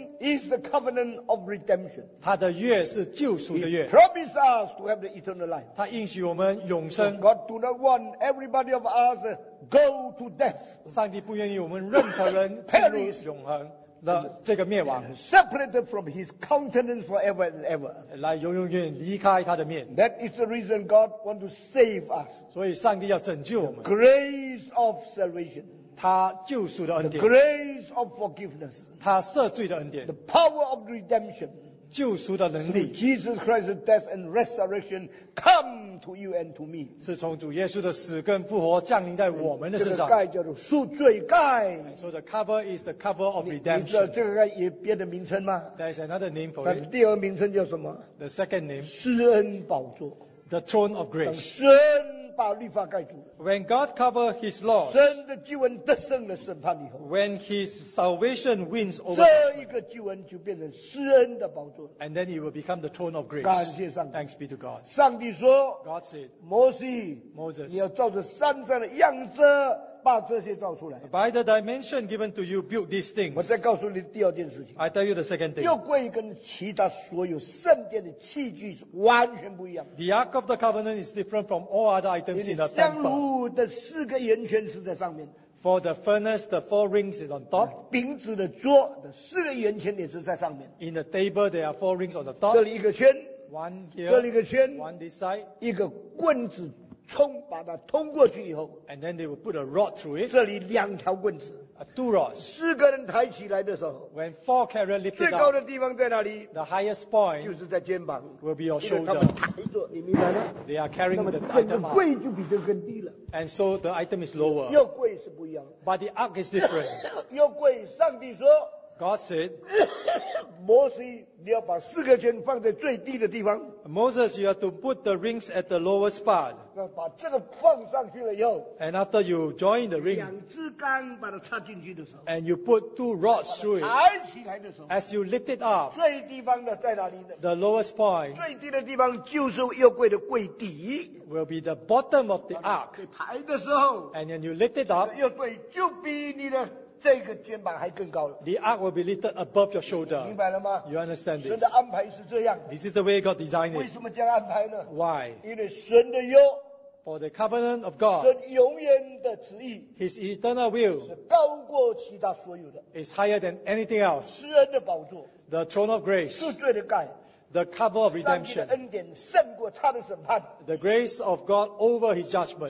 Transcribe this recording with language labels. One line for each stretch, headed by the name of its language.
English: His covenant is the covenant of redemption.
Chinese: 他的约是救赎的约。
English: He promised us to have the eternal life.
Chinese: 他应许我们永生。
English: God do not want everybody of us go to death.
Chinese: 上帝不愿意我们任何人进入永恒的这个灭亡。
English: Separated from His countenance forever and ever.
Chinese: 来永永远离开他的面。
English: That is the reason God want to save us.
Chinese: 所以上帝要拯救我们。
English: Grace of salvation.
Chinese: 他救赎的恩典
English: ，the grace of forgiveness，
Chinese: 他赦罪的恩典
English: ，the power of redemption，
Chinese: 救赎的能力
English: ，Jesus Christ's death and resurrection come to you and to me，
Chinese: 是从主耶稣的死跟复活降临在我们的身上。这个盖叫做赎罪盖
English: ，so the cover is the cover of redemption。
Chinese: 你知道这个盖有别的名称吗
English: ？There's another name for it。
Chinese: 第二名称叫什么
English: ？The second name，
Chinese: 施恩宝座
English: ，the throne of grace。
Chinese: 把律法盖住。
English: When God cover His law，
Chinese: 神的救恩得胜了审判以后。
English: When His salvation wins over，
Chinese: 这一个救恩就变成施恩的宝座。
English: And then it will become the throne of grace。
Chinese: 感谢上帝。
English: Thanks be to God。
Chinese: 上帝说
English: ，God said，
Chinese: 摩西
English: ，Moses，
Chinese: 你要照着山上的样式把这些造出来。
English: By the dimension given to you, build these things。
Chinese: 我再告诉你第二件事情。
English: I tell you the second thing。
Chinese: 约柜跟其他所有圣殿的器具是完全不一样。
English: The Ark of the Covenant is different from all other items in the temple。
Chinese: 香炉的四个圆圈是在上面。
English: For the furnace, the four rings is on top。
Chinese: 饼子的桌的四个圆圈也是在上面。
English: In the table, there are four rings on the top。
Chinese: 这里一个圈。
English: One here。
Chinese: 这里一个圈。
English: One this side。
Chinese: 一个棍子。冲把它通过去以后
English: ，and then they will put a rod through it。
Chinese: 这里两条棍子
English: ，two rods。
Chinese: 四个人抬起来的时候
English: ，when four carry lift it up。
Chinese: 最高的地方在哪里
English: ？The highest point
Chinese: 就是在肩膀
English: ，will be your shoulder。
Chinese: 他们抬着，你明白吗
English: ？They are carrying the item。
Chinese: 那么整个柜就比这更低了
English: ，and so the item is lower。
Chinese: 药柜是不一样
English: ，but the ark is different。
Chinese: 药柜，上帝说
English: ，God said，
Chinese: 摩西，你要把四个圈放在最低的地方。
English: Moses, you have to put the rings at the lowest part.
Chinese: 把这个放上去了以后
English: ，and after you join the ring,
Chinese: 两支杆把它插进去的时候
English: ，and you put two rods through it.
Chinese: 抬起来的时候
English: ，as you lift it up,
Chinese: 最低方的在哪里呢
English: ？The lowest point.
Chinese: 最低的地方就是约柜的柜底
English: ，will be the bottom of the ark.
Chinese: 抬的时候
English: ，and then you lift it up.
Chinese: 约柜就比你的这个肩膀还更高了。
English: The ark will be lifted above your shoulder.
Chinese: 明白了吗
English: ？You understand this?
Chinese: 神的安排是这样。
English: This is the way God designed it.
Chinese: 为什么这样安排呢
English: ？Why?
Chinese: 因为神的约。
English: For the covenant of God.
Chinese: 神永远的旨意。
English: His eternal will.
Chinese: 是高过其他所有的。
English: Is higher than anything else.
Chinese: 施恩的宝座。
English: The throne of grace.
Chinese: 赦罪的盖。
English: The cover of redemption.
Chinese: 上帝的恩典胜过他的审判。
English: The grace of God over His judgment.